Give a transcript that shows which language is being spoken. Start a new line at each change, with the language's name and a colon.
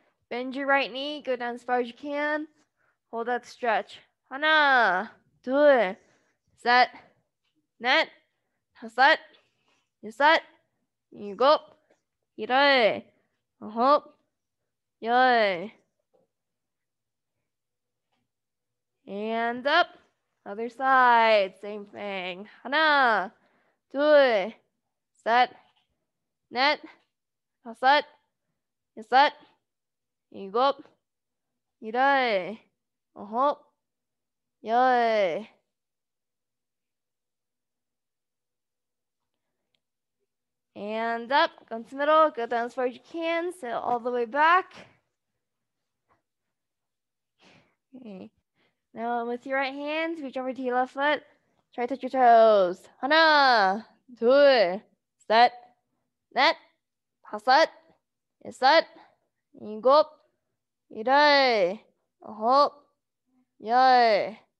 English: Bend your right knee, go down as far as you can. Hold that stretch.
Korean: 하나, 둘, 셋, 넷, 다섯, 여섯, 일곱, 일곱, 아홉, 열.
English: And up, other side, same thing.
Korean: 하나, 둘, 셋, 넷, 다섯, 여섯, 일곱, 일곱.
English: Uh-huh. Yay. And up, go to the middle, go down as far as you can, sit all the way back. Okay. Now with your right hand, reach over to your left foot. Try to touch your toes.
Korean: 하나, 둘, 셋, 넷, 다섯, 여섯, 일곱, 여덟, 아홉, 열.